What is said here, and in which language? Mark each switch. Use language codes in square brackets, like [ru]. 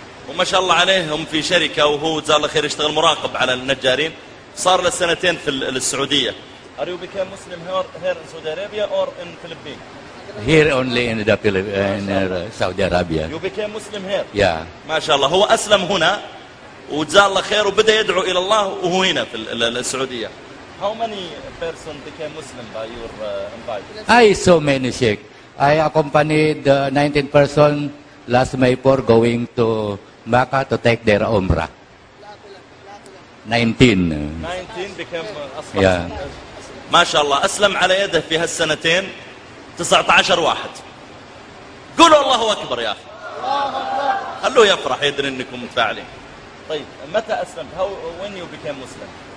[ar] وما شاء الله عليهم في شركة، وهو جزاه الله خير يشتغل مراقب على النجارين، صار له سنتين في السعودية. [en] Are you become Muslim here in Saudi Arabia or in Philippines? Here only in the Philippines, Saudi Arabia. You became Muslim here? Yeah. [ar] ما شاء الله، هو أسلم هنا وجزاه الله خير وبدأ يدعو إلى الله وهو هنا في السعودية. [en] How many person became Muslim by your invite? I so many Sheikh. I accompanied 19 person last May 4 going to Mecca to take their Umrah. 19. 19 became [ar] أصبح. [en] Yeah. [ar] ما شاء الله أسلم على يده في هالسنتين 19 واحد. قولوا الله أكبر يا أخي. خلوه يفرح يدري أنكم متفاعلين. طيب متى أسلمت؟ [en] How when you became Muslim?